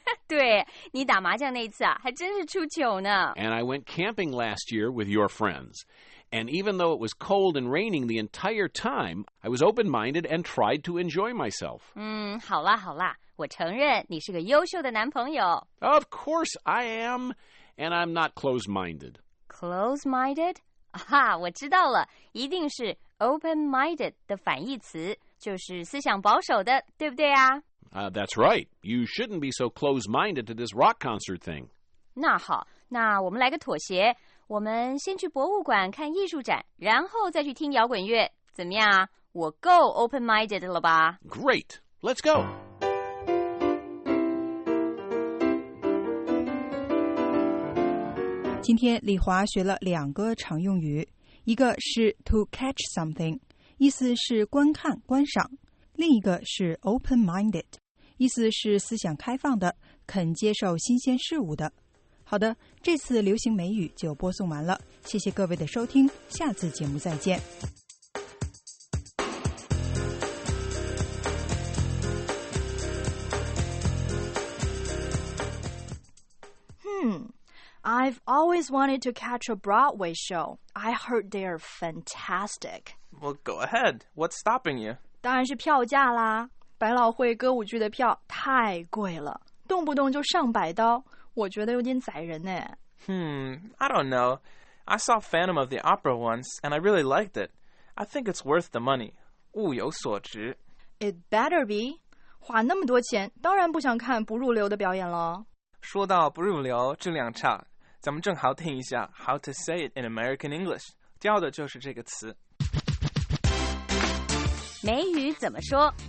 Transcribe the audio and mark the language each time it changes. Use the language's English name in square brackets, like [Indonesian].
[Chinese] 对,你打麻将那次啊,还真是出糗呢。 [English] And I went camping last year with your friends. And even though it was cold and raining the entire time, I was open-minded and tried to enjoy myself. [Chinese] 好啦好啦，我承认你是个优秀的男朋友。 [English] Of course I am, and I'm not close-minded. [Chinese] Close-minded? 我知道了，一定是 open-minded 的反义词，就是思想保守的，对不对啊？ [English] That's right. You shouldn't be so close-minded to this rock concert thing. [Chinese] 那好，那我们来个妥协。我们先去博物馆看艺术展，然后再去听摇滚乐，怎么样啊？我够 open-minded 了吧 [English] ？Great, let's go. Today, [Chinese] Li Hua 学了两个常用语，一个是 to catch something, 意思是观看、观赏；另一个是 open-minded, 意思是思想开放的，肯接受新鲜事物的。好的，这次流行美语就播送完了，谢谢各位的收听，下次节目再见。 [English] I've always wanted to catch a Broadway show. I heard they are fantastic. Well, go ahead. What's stopping you? [Chinese] 当然是票价啦，百老汇歌舞剧的票太贵了，动不动就上百刀。我觉得有点宰人呢。 [English] I don't know. I saw Phantom of the Opera once, and I really liked it. I think it's worth the money. [Chinese] 物有所值。 [English] It better be. [Chinese] 花那么多钱，当然不想看不入流的表演了。说到不入流，质量差，咱们正好听一下 How to say it in American English. 教的就是这个词。美语怎么说